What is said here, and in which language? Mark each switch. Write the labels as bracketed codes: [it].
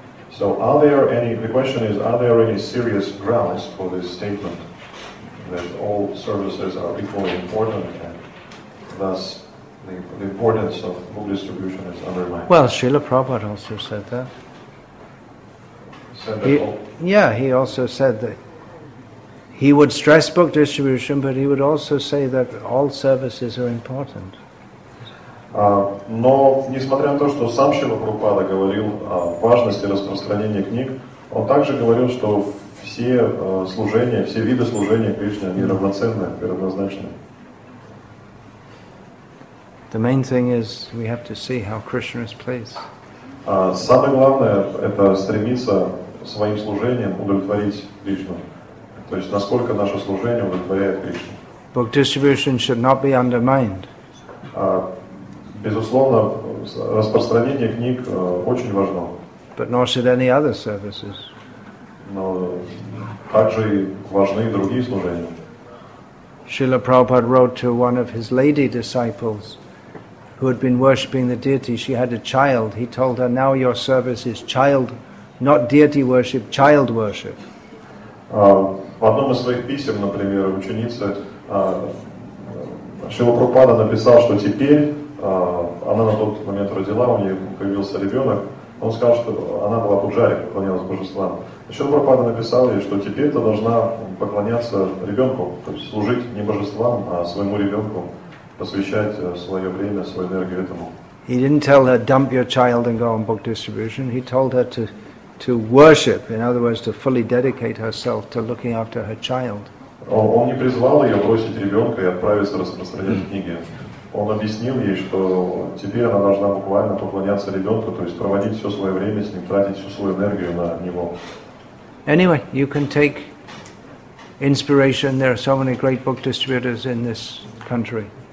[en] So are there any serious grounds for this statement that all services are equally important and thus the importance of book distribution is undermined? Well, Srila Prabhupada also said that. He also said that. He would stress book distribution, but he would also say that all services are important. [ru] Но несмотря на то, что сам Шрила Прабхупада говорил о важности распространения книг, он также говорил, что все служения, все виды служения Кришне, они равноценны, равнозначны. [en] The main thing is we have to see how Krishna is pleased. [ru] Самое главное – это стремиться своим служением удовлетворить Кришну. То есть, насколько наше служение удовлетворяет Кришну. [en] Book distribution should not be undermined. [ru] Безусловно, распространение книг очень важно. [en] But nor should any other services. [ru] Но также и важны другие служения. [en] Srila Prabhupada wrote to one of his lady disciples who had been worshipping the deity. She had a child. He told her, now your service is child, not deity worship, child worship. [ru] В одном из своих писем, например, ученица Шрила Прабхупада написал, что теперь она на тот момент родила, у нее появился ребенок. Он сказал, что она была пуджари, поклонялась божествам. Шрила Прабхупада написал ей, что теперь ты должна поклоняться ребенку, то есть служить не божествам, а своему ребенку, посвящать свое время, свою энергию этому. [en] He didn't tell her dump your child and go on book distribution. He told her to worship, in other words, to fully dedicate herself to looking after her child. [ru] Он не призвал ее бросить ребенка и отправиться распространять книги. Он объяснил ей, что теперь она должна буквально поклоняться ребенку, то есть проводить все свое время с ним, тратить всю свою энергию на него. [en] Anyway, you can take inspiration. There are so many great book distributors in this country.